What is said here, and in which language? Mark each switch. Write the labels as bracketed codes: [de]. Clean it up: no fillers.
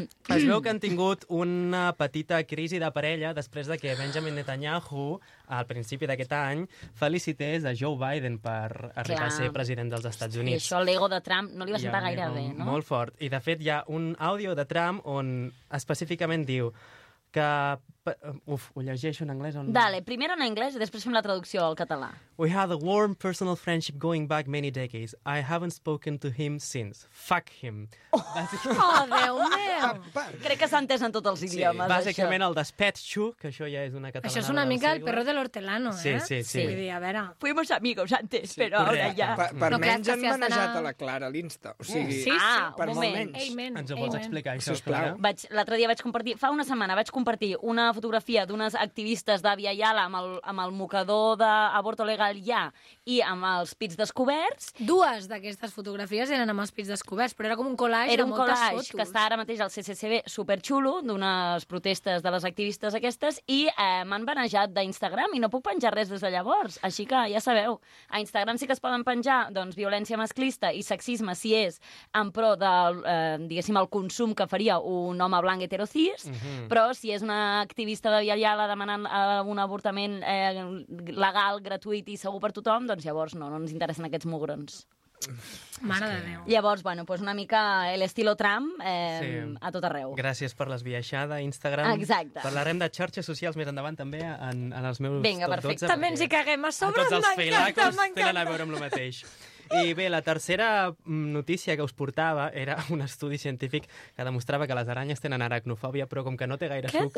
[ca] Es veu que han tingut una petita crisi de parella després de que Benjamin Netanyahu, al principi d'aquest any, felicités a Joe Biden per arribar a ser president dels Estats Units. I això, l'ego de Trump, no li va sentar gaire bé, no? Molt fort. I, de fet, hi ha un àudio de Trump on específicament diu que... Uf, ho llegeixo en anglès o no? Dale, primer en anglès i després fem la traducció al català. [en] We had a warm personal friendship going back many decades. I haven't spoken to him since. Fuck him. [ca] Oh, Déu meu! Crec que s'ha entès en tots els idiomes, això. Bàsicament el despetxo, que això ja és una catalana. Això és una mica [es] el perro de l'hortelano, [ca] eh? Sí. Vull dir, a veure... [es] Fuimos amigos antes, [ca] però ara ja... Per menys han manejat a la Clara a l'Insta. O sigui, per molt menys. Ens ho vols explicar, això, Clara? L'altre dia vaig compartir... Fa una setmana vaig compartir una fotografia d'unes activistes d'Avia Yala amb el mocador d'aborto legal ja i amb els pits descoberts. Dues d'aquestes fotografies eren amb els pits descoberts, però era com un collage. Era un collage que està ara mateix al CCCB superxulo d'unes protestes de les activistes aquestes i m'han banejat d'Instagram i no puc penjar res des de llavors. Així que ja sabeu, a Instagram sí que es poden penjar doncs violència masclista i sexisme si és en pro del, diguéssim, el consum que faria un home blanc heterocís, però si és una activista de Via Yala demanant un avortament legal, gratuït i segur per tothom, doncs llavors no ens interessen aquests mugrons. Mare de Déu. Llavors, bueno, pues una mica [es] el estilo [ca] Trump a tot arreu. Gràcies per l'esbiaixada a Instagram. Exacte. Parlarem de xarxes socials més endavant també en els meus... Vinga, perfecte. També ens hi caguem a sobre. A tots els feilacos tenen a veure amb el mateix. I bé, la tercera notícia que us portava era un estudi científic que demostrava que les aranyes tenen aracnofòbia, però com que no té gaire suc...